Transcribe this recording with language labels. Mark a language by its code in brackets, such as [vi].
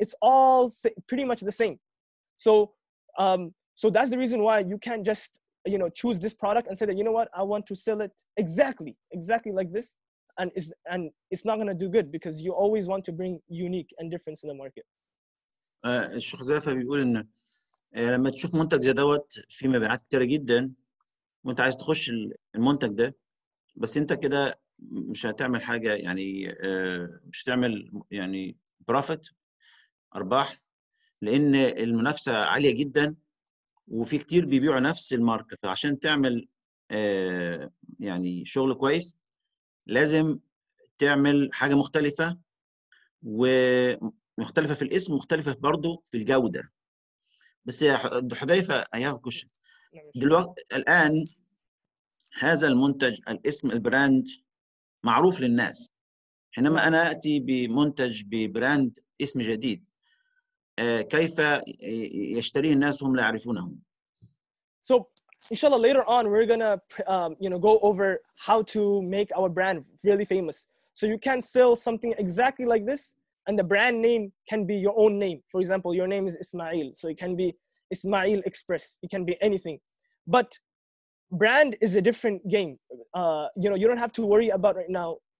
[en] It's all pretty much the same. So that's the reason why you can't just, you know, choose this product and say that, you know what, I want to sell it exactly like this. And it's not going to do good because you always want to bring unique and difference in the market. [ar] الشيخ زافا بيقول ان لما تشوف منتج زي دوت في مبيعات كتيرة جدا وانت عايز تخش المنتج ده بس انت كده مش هتعمل حاجة يعني مش هتعمل يعني profit ارباح لان المنافسة عالية جدا وفي كتير بيبيعوا نفس الماركه فعشان تعمل يعني شغل كويس لازم تعمل حاجه مختلفه ومختلفه في الاسم مختلفه برضو في الجوده بس يا حذيفه اياف كوش دلوقتي الان هذا المنتج الاسم البراند معروف للناس حينما انا اتي بمنتج ببراند اسم جديد كيف يشتريه الناس وهم لا يعرفونه [en] So inshallah later on we're going to you know go over how to make our brand really famous so you can sell something exactly like this and the brand name can be your own name for example your name is Ismail so it can be Ismail Express it can be anything but brand is a different game you know you don't have to worry about right now